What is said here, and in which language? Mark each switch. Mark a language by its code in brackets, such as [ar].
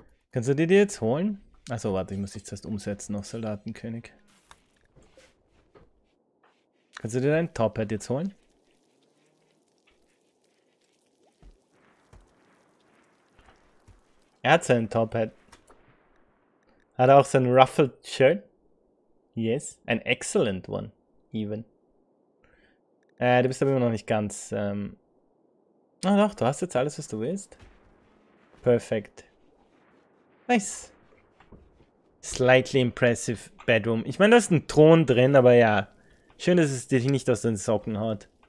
[de] Kannst du dir die jetzt holen? Achso, warte, ich muss dich zuerst umsetzen auf Soldatenkönig. Kannst du dir dein Top-Hat jetzt holen? Er hat seinen Top-Hat. Hat er auch sein Ruffled-Shirt? [en] Yes, an excellent one, even. [de] Du bist aber immer noch nicht ganz, Ah, doch, du hast jetzt alles, was du willst. [en] Perfect. Nice. Slightly impressive bedroom. [de] Ich meine, da ist ein Thron drin, aber ja. Schön, dass es dich nicht aus den Socken haut.